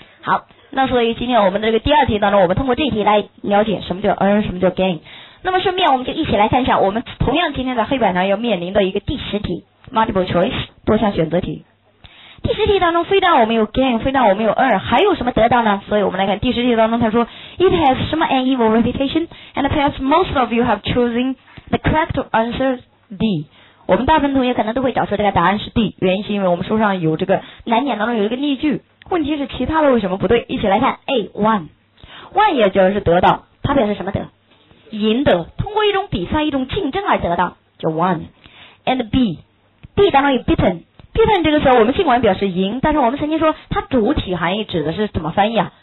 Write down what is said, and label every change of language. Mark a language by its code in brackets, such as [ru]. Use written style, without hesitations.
[zh] 好，那所以今天我们的这个第二题当中我们通过这题来了解什么叫 earn 什么叫 gain。那么顺便我们就一起来看一下我们同样今天在黑板上要面临的一个第十题 multiple choice 多项选择题。第十题当中非但我们有 gain 非但我们有 earn 还有什么得到呢？所以我们来看第十题当中他说 [en] It has [zh] 什么 [en] an evil reputation and perhaps most of you have chosen the correct answer D。 [zh] 我们大部分同学可能都会找出这个答案是 D， 原因是因为我们书上有这个难点当中有一个例句，问题是其他的为什么不对。一起来看 A one 也就是得到，它表示什么得？赢得，通过一种比赛一种竞争而得到叫 one。 And B 当中有 beaten 这个时候我们尽管表示赢，但是我们曾经说它主体含义指的是怎么翻译啊？